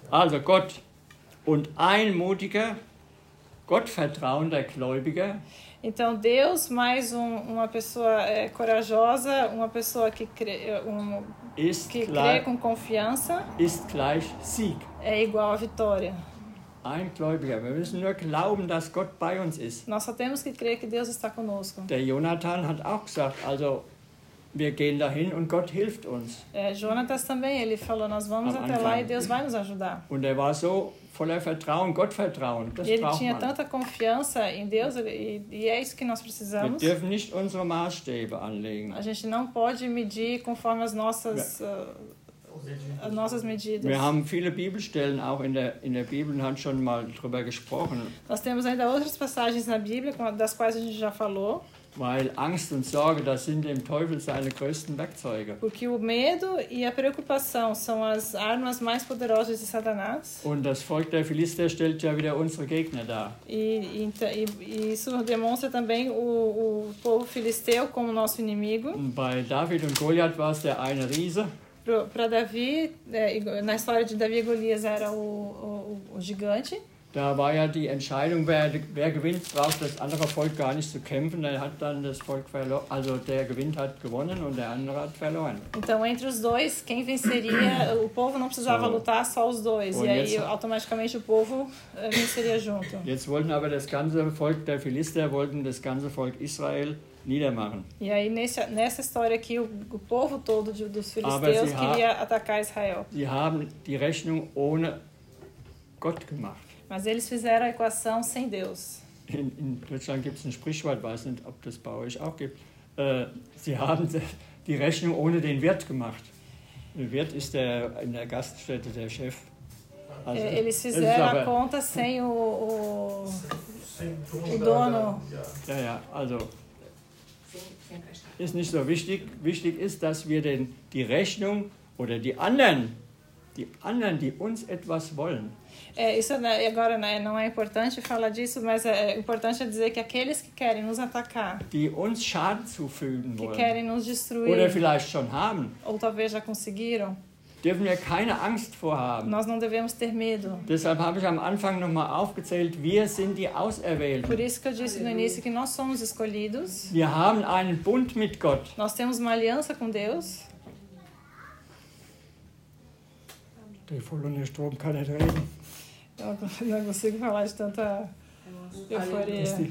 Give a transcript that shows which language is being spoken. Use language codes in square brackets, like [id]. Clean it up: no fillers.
[de] Also Gott und ein mutiger, gottvertrauender Gläubiger. [pt] Então Deus mais uma pessoa corajosa, uma pessoa que crê, crê com confiança. [de] Ist gleich Sieg. [pt] É igual a vitória. [de] Ein Gläubiger. Wir müssen nur glauben, dass Gott bei uns ist. [pt] Nós só temos que crer que Deus está conosco. [de] Der Jonathan hat auch gesagt, also wir gehen dahin und Gott hilft uns. [pt] Jonathan também, ele falou, nós vamos até lá e Deus vai nos ajudar. [de] Und er war so voller Vertrauen, Gottvertrauen. Das [pt] ele tinha tanta confiança em Deus e é isso que nós precisamos. [de] Wir dürfen nicht unsere Maßstäbe anlegen. [pt] A gente não pode medir conforme as nossas... As nossas medidas. [de] Wir haben viele Bibelstellen auch in der Bibel und haben schon mal drüber gesprochen. [pt] Nós temos ainda outras passagens na Bíblia das quais a gente já falou. [de] Weil Angst und Sorge, das sind dem Teufel seine größten Werkzeuge. [pt] Porque o medo e a preocupação são as armas mais poderosas de Satanás. [de] Und das Volk der Philister stellt ja wieder unsere Gegner dar. [pt] Isso demonstra também o povo filisteu como nosso inimigo. [de] Bei David und Goliath war es der eine Riese. [pt] Para Davi, na história de Davi e Golias era o gigante. [de] Da war ja die Entscheidung, wer gewinnt, braucht das andere Volk gar nicht zu kämpfen. Dann hat dann das Volk verloren, also der gewinnt hat gewonnen und der andere hat verloren. [pt] Então entre os dois, quem venceria, o povo não precisava lutar, só os dois. [de] Und [pt] e [de] jetzt, [pt] aí automaticamente o povo venceria junto. [de] Jetzt wollten aber das ganze Volk der Philister, wollten das ganze Volk Israel niedermachen. [pt] E aí nessa história aqui, o povo todo dos Filisteus queria atacar Israel. [de] Sie haben die Rechnung ohne Gott gemacht. [pt] Mas eles fizeram a equação sem Deus. [de] In Deutschland gibt es ein Sprichwort, weiß nicht, ob das bei euch auch gibt. Sie haben die Rechnung ohne den Wirt gemacht. Der Wirt ist der in der Gaststätte der Chef. [pt] Also, eles fizeram a conta sem o dono. [de] Ja, ja, also. Ist nicht so wichtig. Wichtig ist, dass wir die Rechnung oder die anderen, die uns etwas wollen. [pt] Isso agora não é importante falar disso, mas é importante dizer que aqueles que querem nos atacar, [de] die uns Schaden zufügen wollen, [pt] que querem nos destruir, [de] oder vielleicht schon haben, [pt] ou talvez já conseguiram, [de] dürfen wir keine Angst vorhaben. [pt] Nós não devemos ter medo. [de] Deshalb habe ich am Anfang noch mal aufgezählt, wir sind die Auserwählten. [pt] Por isso que eu disse no início que nós somos escolhidos. [de] Wir haben einen Bund mit Gott. [pt] Nós temos uma aliança com Deus. [de] Der volle Strom kann nicht reden. [pt] Eu não consigo falar de tanta euforia.